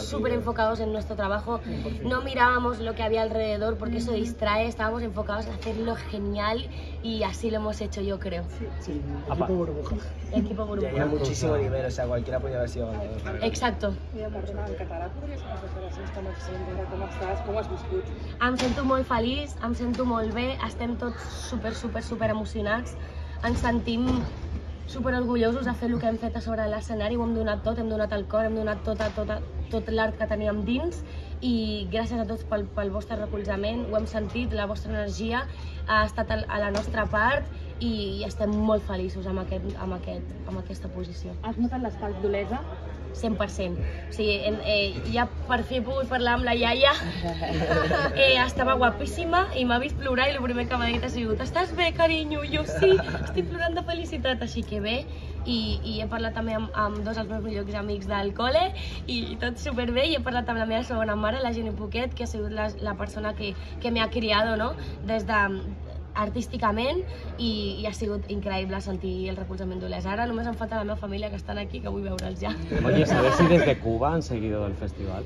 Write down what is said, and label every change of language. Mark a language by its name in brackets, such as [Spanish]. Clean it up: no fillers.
[Spanish] súper enfocados en nuestro trabajo, no mirábamos lo que había alrededor porque eso distrae, estábamos enfocados en hacerlo genial y así lo hemos hecho, yo creo. Equipo burbuja. Tenía muchísimo nivel, o sea, cualquiera podía haber sido ganador. Exacto. [Catalan] Em sento molt feliç, em sento molt bé, estem tots super, super, super emocionats, ens sentim súper orgullosos de fer el que hem fet a sobre l'escenari, ho hem donat tot, hem donat el cor, hem donat tot l'art que teníem dins i gràcies a tots pel vostre recolzament, ho hem sentit, la vostra energia ha estat a la nostra part i estem molt feliços amb aquesta posició. Has notat l'escalf d'Olesa? 100%. O sigui, ja per fi he pogut parlar amb la iaia, que estava guapíssima i m'ha vist plorar i el primer que m'ha dit ha sigut «Estàs bé, carinyo?». Jo sí, estic plorant de felicitat, així que bé. I he parlat també amb dos dels meus millors amics del col·le i tot superbé. I he parlat amb la meva segona mare, la Jenny Poquet, que ha sigut la persona que m'ha criado, no?, des de artísticament i ha sigut increïble sentir el recolzament d'Olesa. Ara només em falta la meva família que estan aquí, que vull veure'ls ja. [Spanish] Oye, ¿sabes si desde Cuba han seguido el festival?